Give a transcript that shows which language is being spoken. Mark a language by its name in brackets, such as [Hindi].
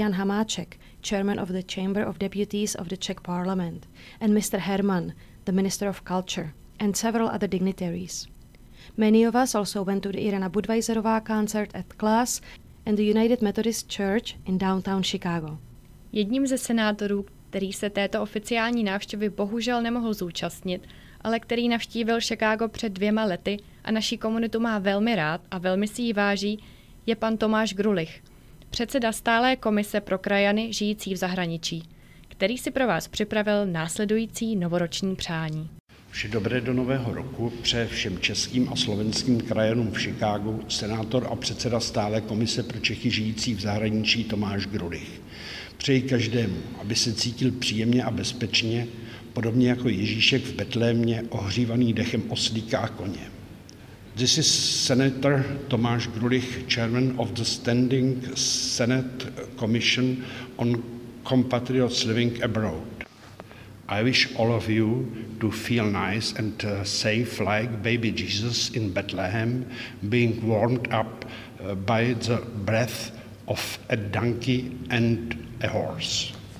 [English] Jan Hamáček, chairman of the Chamber of Deputies of the Czech Parliament, and Mr. Herman, the Minister of Culture, and several other dignitaries. Many of us also went to the Irena Budweiserová concert at Class and the United Methodist Church in downtown Chicago. [Czech] Jedním ze senátorů, který se této oficiální návštěvy bohužel nemohl zúčastnit, ale který navštívil Chicago před 2 lety a naší komunitu má velmi rád a velmi si ji váží, je pan Tomáš Grulich, předseda stálé komise pro krajany žijící v zahraničí, který si pro vás připravil následující novoroční přání. Vše dobré do nového roku přeje všem českým a slovenským krajanům v Chicagu senátor a předseda stálé komise pro Čechy žijící v zahraničí Tomáš Grulich. Přeji každému, aby se cítil příjemně a bezpečně, podobně jako Ježíšek v Betlémě, ohřívaný dechem oslíka a koně. [English] This is Senator Tomáš Grulich, Chairman of the Standing Senate Commission on Compatriots Living Abroad. I wish all of you to feel nice and safe like baby Jesus in Bethlehem, being warmed up by the breath of a donkey and a horse.